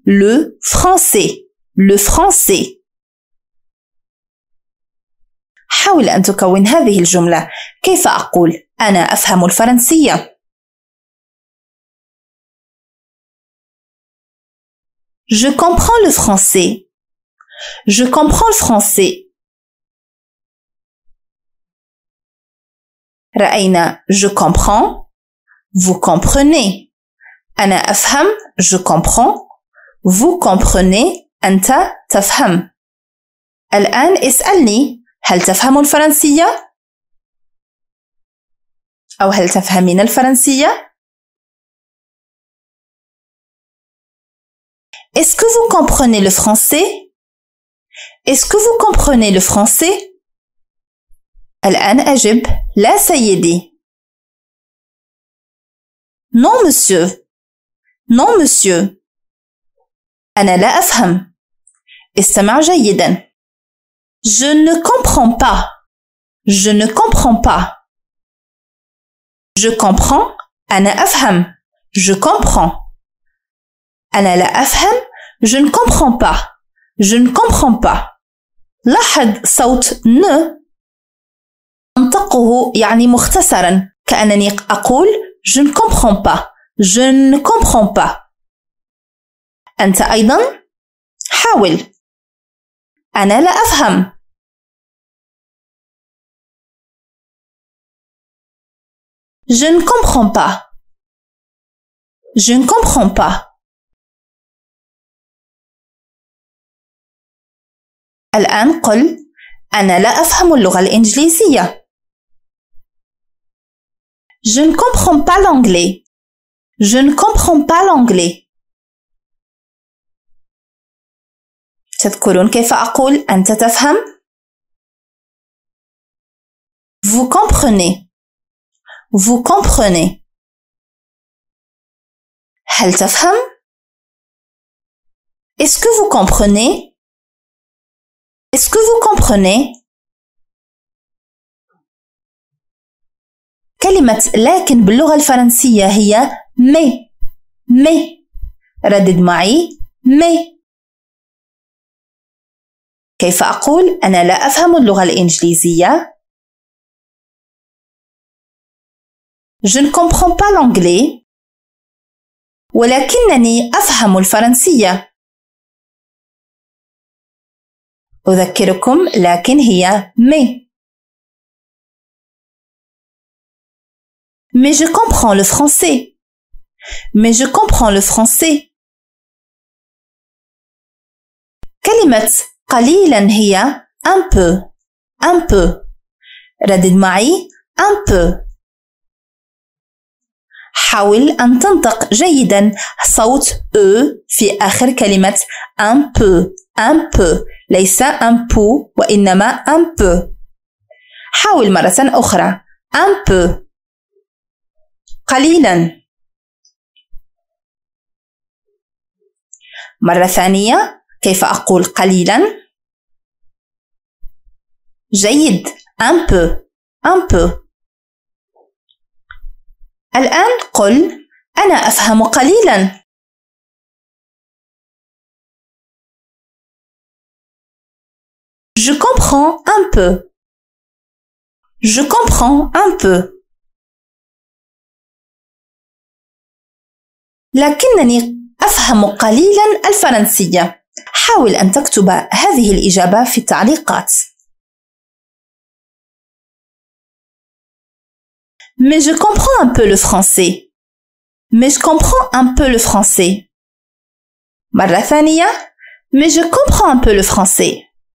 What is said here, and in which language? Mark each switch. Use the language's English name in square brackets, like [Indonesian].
[French] Le français. Le français. [Arabic] حاول أن تكون هذه الجملة. كيف أقول أنا أفهم الفرنسية؟ [French] Je comprends le français. Je comprends le français. [Arabic] رأينا [French] je comprends, vous comprenez. [Arabic] أنا أفهم, [French] je comprends. Vous comprenez, [Arabic] أنت تفهم. الآن اسألني, هل تفهم الفرنسية؟ أو هل تفهمين الفرنسية؟ [French] Est-ce que vous comprenez le français? Est-ce que vous comprenez le français? [Arabic] الآن أجب لا سيدي. [French] Non, monsieur. Non, monsieur. [Arabic] أنا لا أفهم. استمع جيدا. [French] Je ne comprends pas. Je ne comprends pas. Je comprends. [Arabic] أنا أفهم. [French] Je comprends. [Arabic] أنا لا أفهم. [French] Je ne comprends pas. Je ne comprends pas. [Arabic] لاحظ صوت ن أنطقه يعني مختصرا كأنني أقول [French] je ne comprends pas, je ne comprends pas. [Arabic] أنت أيضا حاول. أنا لا أفهم. [French] Je ne comprends pas. Je ne comprends pas. [Arabic] الآن قل أنا لا أفهم اللغة الإنجليزية. [French] Je ne comprends pas l'anglais. Je ne comprends pas l'anglais. [Arabic] تذكرون كيف أقول أنت تفهم؟ [French] Vous comprenez. Vous comprenez. [Arabic] هل تفهم؟ [French] Est-ce que vous comprenez? Est-ce que vous comprenez? [Arabic] كلمة لكن باللغة الفرنسية هي mais. [French] Mais. [Arabic] ردد معي mais. كيف أقول أنا لا أفهم اللغة الإنجليزية؟ [French] Je ne comprends pas l'anglais. [Arabic] ولكنني أفهم الفرنسية. أذكركم لكن هي mais. [French] Mais je comprends le français. Mais je comprends le français. [Arabic] كلمة قليلا هي [French] un peu. Un peu. [Arabic] ردد معي [French] un peu. [Arabic] حاول أن تنطق جيدا صوت أ في آخر كلمة [French] un peu. Un peu. [Arabic] ليس [French] un peu [Arabic] وإنما [French] un peu. [Arabic] حاول مرة أخرى [French] un peu. [Arabic] قليلا. مرة ثانية كيف أقول قليلا؟ جيد [French] un peu. Un peu. [Arabic] الآن قل أنا أفهم قليلا. [French] Je comprends un peu. Je comprends un peu. [Arabic] لكنني أفهم قليلا الفرنسية. حاول أن تكتب هذه الإجابة في التعليقات. [French] Mais je comprends un peu le français. Mais je comprends un peu le français. [Arabic] مرة ثانية. [French] Mais je comprends un peu le français.